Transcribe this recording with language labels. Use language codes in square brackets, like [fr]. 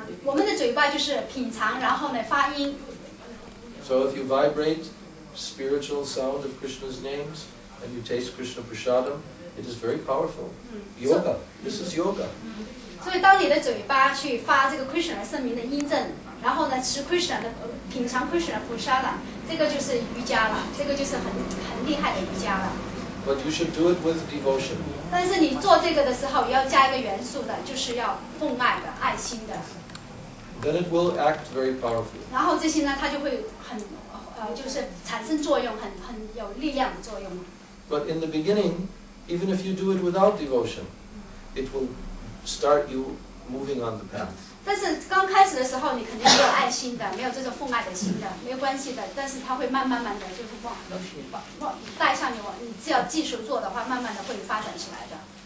[zh] 我们的嘴巴就是品尝，然后呢发音。 [en] So if you vibrate spiritual sound of Krishna's names and you taste Krishna prasadam, it is very powerful. Yoga. This is yoga. [zh] 所以当你的嘴巴去发这个 Krishna 圣名的音阵，然后呢吃 Krishna 的品尝 Krishna prasadam， 这个就是瑜伽了，这个就是很厉害的瑜伽了。 [en] But you should do it with devotion. [zh] 但是你做这个的时候要加一个元素的，就是要奉爱的，爱心的。 [en] Then it will act very powerfully. [zh] 然后这些呢，它就会很，就是产生作用，很有力量的作用。 [en] But in the beginning, even if you do it without devotion, it will start you moving on the path. [zh] 但是刚开始的时候，你肯定没有爱心的，没有这种奉爱的心的，没有关系的。但是它会慢慢的，就是往带上你，你只要继续做的话，慢慢的会发展起来的。